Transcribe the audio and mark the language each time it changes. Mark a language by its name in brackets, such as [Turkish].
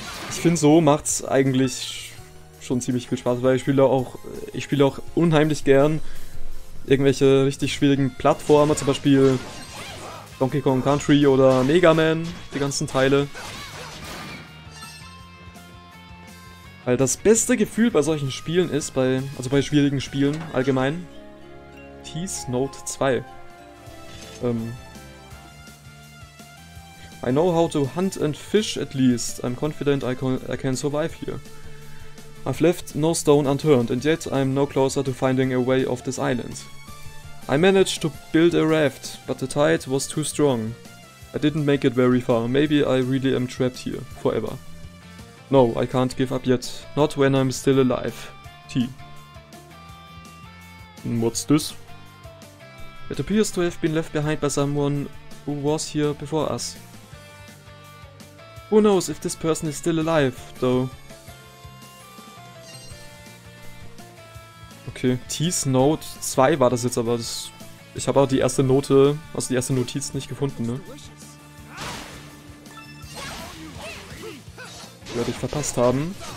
[German] Ich finde, so macht's eigentlich schon ziemlich viel Spaß, weil ich spiele auch unheimlich gern irgendwelche richtig schwierigen Plattformer, zum Beispiel Donkey Kong Country oder Mega Man, die ganzen Teile. Weil das beste Gefühl bei solchen Spielen ist, bei schwierigen Spielen allgemein, Thief's Note 2. [English] I know how to hunt and fish at least. I'm confident I can survive here. I've left no stone unturned and yet I'm no closer to finding a way off this island. I managed to build a raft, but the tide was too strong. I didn't make it very far. Maybe I really am trapped here forever. No, I can't give up yet. Not when I'm still alive. T. What's this? It appears to have been left behind by someone who was here before us. Who knows if this person is still alive, though. [German] Okay, T's Note 2 war das jetzt, aber das... Ich habe auch die erste Notiz nicht gefunden, ne? Werde ich verpasst haben.